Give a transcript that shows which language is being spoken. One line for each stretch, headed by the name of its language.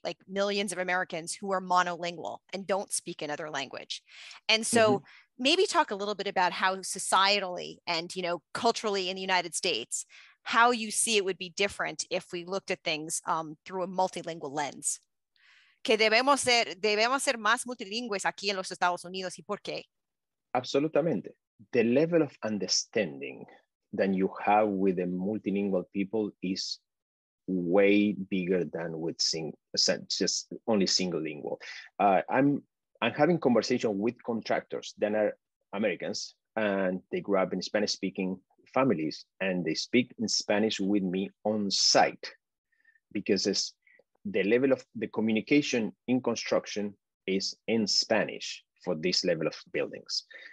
English: Like millions of Americans who are monolingual and don't speak another language. And so mm-hmm. maybe talk a little bit about how societally and, you know, culturally in the United States, how you see it would be different if we looked at things through a multilingual lens.
Spanish: Que debemos ser más multilingües aquí en los Estados Unidos, ¿y por qué? Absolutamente.
English: The level of understanding that you have with the multilingual people is way bigger than with just only single lingual. I'm having conversations with contractors that are Americans and they grew up in Spanish speaking families and they speak in Spanish with me on site because it's the level of the communication in construction is in Spanish for this level of buildings.